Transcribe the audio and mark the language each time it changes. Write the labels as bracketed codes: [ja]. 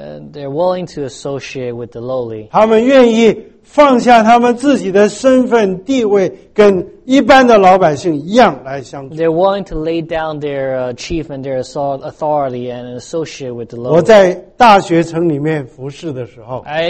[en] They're willing to associate with the lowly. [zh] 他们愿意放下他们自己的身份地位，跟一般的老百姓一样来相处。 [en] They're willing to lay down their achievement, their authority, and associate with the lowly. [zh] 我在大学城里面服侍的时候， [en] I